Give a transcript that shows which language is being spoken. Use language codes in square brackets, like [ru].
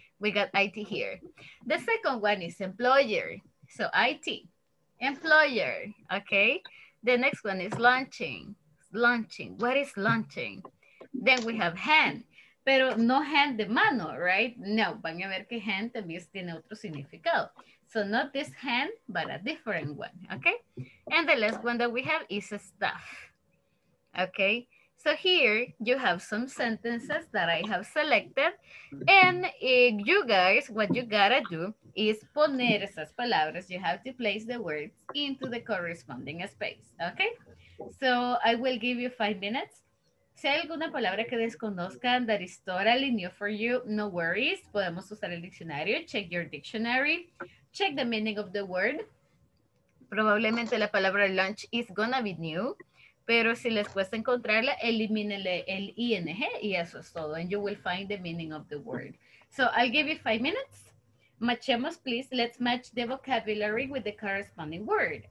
[en] We got IT here. The second one is employer. So IT, employer, okay? The next one is launching. Launching, what is launching? Then we have hand, [es] pero no hand de mano, [en] right? [es] No, van a ver que hand también tiene otro significado. [en] So not this hand, but a different one, okay? And the last one that we have is staff. Okay, so here you have some sentences that I have selected. And you guys, what you gotta do is [es] poner esas palabras. [en] You have to place the words into the corresponding space. Okay, so I will give you 5 minutes. [es] Si hay alguna palabra que desconozcan [en] that is totally new for you, no worries. [es] Podemos usar el diccionario. [en] Check your dictionary. Check the meaning of the word. [es] Probablemente la palabra lunch [en] is gonna be new. [es] Pero si les cuesta encontrarla, elimínele el ing y eso es todo. [en] And you will find the meaning of the word. So I'll give you 5 minutes. Matchemos, please. Let's match the vocabulary with the corresponding word.